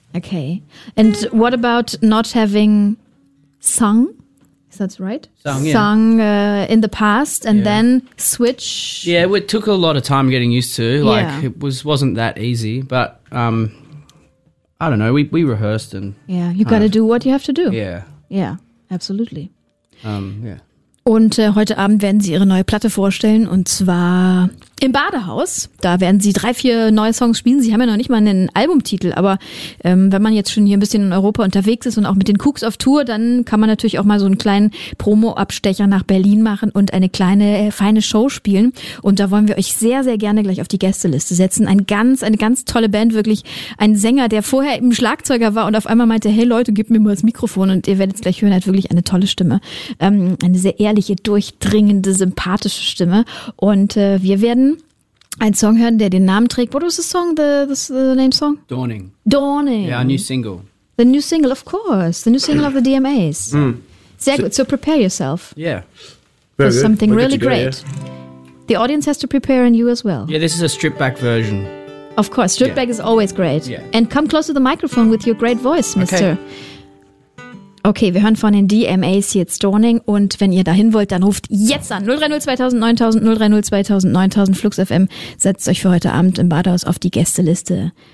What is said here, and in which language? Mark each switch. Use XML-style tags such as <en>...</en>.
<en>Okay. And what about not having sung? That's right. Sung in the past and then switch. Yeah, it took a lot of time getting used to. Like it wasn't that easy, but I don't know. We rehearsed and You got to do what you have to do. Yeah. Yeah, absolutely. Yeah.</en> <de>Und heute Abend werden Sie Ihre neue Platte vorstellen und zwar im Badehaus. Da werden Sie 3-4 neue Songs spielen. Sie haben ja noch nicht mal einen Albumtitel, aber wenn man jetzt schon hier ein bisschen in Europa unterwegs ist und auch mit den Kooks auf Tour, dann kann man natürlich auch mal so einen kleinen Promo-Abstecher nach Berlin machen und eine kleine, feine Show spielen. Und da wollen wir euch sehr, sehr gerne gleich auf die Gästeliste setzen. Eine ganz tolle Band, wirklich ein Sänger, der vorher eben Schlagzeuger war und auf einmal meinte, hey Leute, gib mir mal das Mikrofon und ihr werdet es gleich hören, er hat wirklich eine tolle Stimme. Eine sehr herrliche, durchdringende, sympathische Stimme. Und wir werden einen Song hören, der den Namen trägt.</de> <en>What was the song, the name song? Dawning. Dawning. Yeah, a new single. The new single, of course. The new single of the DMAs. Mm.</en> <de>Sehr gut,</de> <en>so prepare yourself. Yeah. There's something really great. The audience has to prepare and you as well. Yeah, this is a stripped back version. Of course, stripped back is always great. Yeah. And come close to the microphone with your great voice, mister.</en> <de>Okay, wir hören von den DMAs jetzt Dawning und wenn ihr dahin wollt, dann ruft jetzt an 030-2000-9000, 030-2000-9000, Flux FM. Setzt euch für heute Abend im Badehaus auf die Gästeliste.</de>